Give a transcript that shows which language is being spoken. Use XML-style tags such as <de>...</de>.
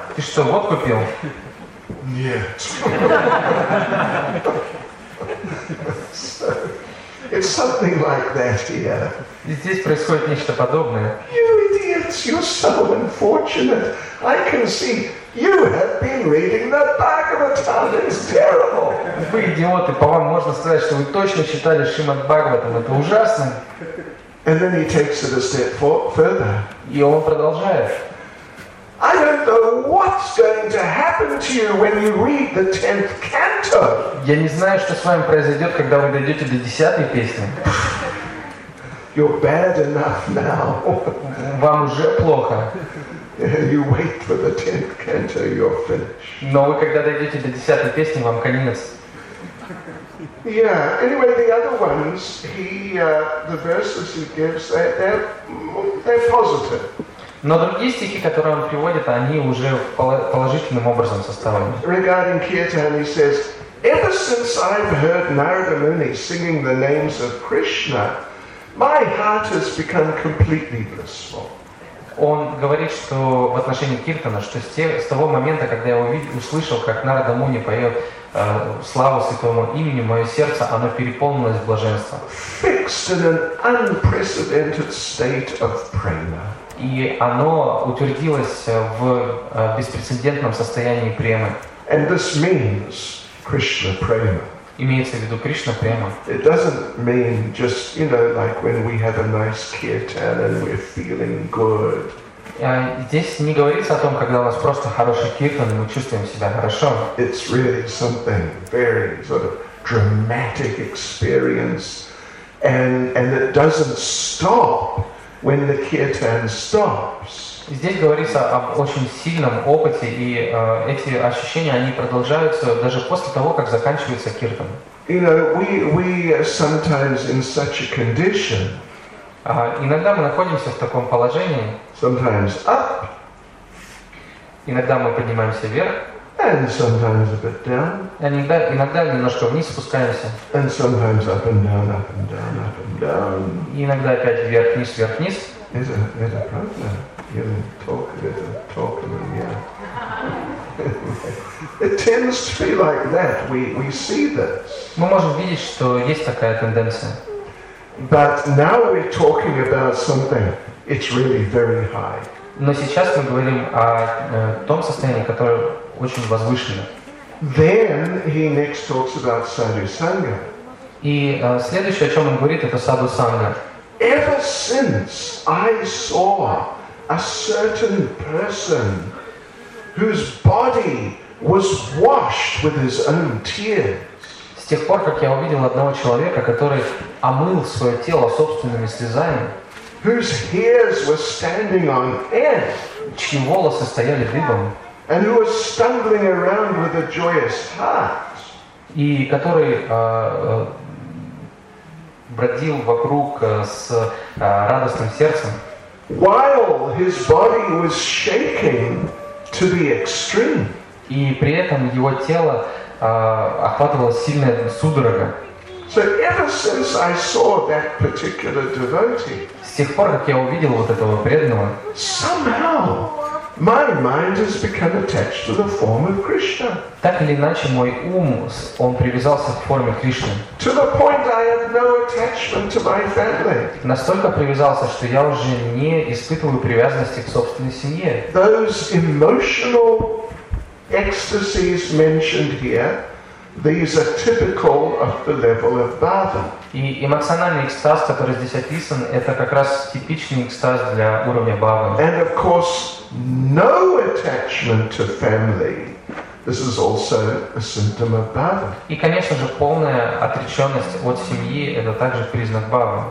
<ru>Ты что, водку пил? Нет.</ru> <en>It's something like that here.</en> <ru>Здесь происходит нечто подобное.</ru> <en>You idiots, you're so unfortunate. I can see you have been reading the Bhagavatam. It's terrible.</en> <ru>Вы идиоты, по вам можно сказать, что вы точно читали Шримад Бхагаватам. Это ужасно.</ru> <en>And then he takes it a step further.</en> <ru>И он продолжает.</ru> <en>I don't know what's going to happen to you when you read the 10th canto.</en> <ru>Я не знаю, что с вами произойдет, когда вы дойдете до 10-й песни.</ru> <en>You're bad enough now.</en> <ru>Вам уже плохо.</ru> <en>You wait for the 10th canto, you're finished.</en> <ru>Но вы когда дойдете до 10-й песни, вам конец.</ru> <en>Yeah, anyway, the other ones, the verses he gives, they're positive.</en> <ru>Но другие стихи, которые он приводит, они уже положительным образом составлены.</ru> <en>Regarding Kirtan, he says, ever since I've heard Narada Muni singing the names of Krishna, my heart has become completely blissful.</en> <ru>Он говорит, что в отношении Киртана, что с того момента, когда я услышал, как Нарада Муни поет славу Святому имени, мое сердце, оно переполнилось блаженством.</ru> <en>Fixed in an unprecedented state of prema.</en> <ru>И оно утвердилось в беспрецедентном состоянии премы.</ru> <en>And this means Krishna prema.</en> <ru>Имеется в виду Кришна према.</ru> <en>It doesn't mean just, you know, like when we have a nice kirtan and we're feeling good.</en> <ru>Здесь не говорится о том, когда у нас просто хороший киртан и мы чувствуем себя хорошо.</ru> <en>It's really something very sort of dramatic experience, and it doesn't stop. When the kirtan stops.</en> <ru>Здесь говорится об очень сильном опыте, и эти ощущения они продолжаются даже после того, как заканчивается киртан.</ru> <en>You know, we sometimes in such a condition.</en> <ru>Иногда мы находимся в таком положении.</ru> <en>Sometimes up.</en> <ru>Иногда мы поднимаемся вверх.</ru> <en>And sometimes a bit down.</en> <ru>Иногда немножко вниз спускаемся.</ru> <en>And sometimes up and down, up and down, up and down.</en> <ru>Иногда опять вверх вниз, вверх вниз.</ru> <en>Is it a problem? You talk a little, talk a little, yeah. It tends to be like that. We see this.</en> <ru>Мы можем видеть, что есть такая тенденция.</ru> <en>But now we're talking about something. It's really very high.</en> <ru>Но сейчас мы говорим о том состоянии, которое очень возвышенно.</ru> <en>Then he next talks about sadhu sangha.</en> <ru>И следующее, о чем он говорит, это sadhu sangha.</ru> <en>Ever since I saw a certain person whose body was washed with his own tears.</en> <ru>С тех пор, как я увидел одного человека, который омыл свое тело собственными слезами.</ru> <en>Whose hairs were standing on end.</en> <ru>Чьи волосы стояли дыбом.</ru> <en>And who was stumbling around with a joyous heart.</en> <ru>И который бродил вокруг с радостным сердцем.</ru> <en>While his body was shaking to the extreme.</en> <ru>И при этом его тело охватывало сильная судорога.</ru> <en>So ever since I saw that particular devotee,</en> <ru>с тех пор, как я увидел вот этого преданного,</ru> <en>somehow my mind has become attached to the form of Krishna.</en> <ru>Так или иначе, мой ум, он привязался к форме Кришны.</ru> <en>To the point I have no attachment to my family.</en> <ru>Настолько привязался, что я уже не испытываю привязанности к собственной семье.</ru> <en>Those emotional ecstasies mentioned here, these are typical of the level of bhava.</en> <ru>И эмоциональный экстаз, который здесь описан, это как раз типичный экстаз для уровня бхавы.</ru> <en>And of course, no attachment to family. This is also a symptom of bhava.</en> <ru>И, конечно же, полная отречённость от семьи — это также признак бхавы.</ru>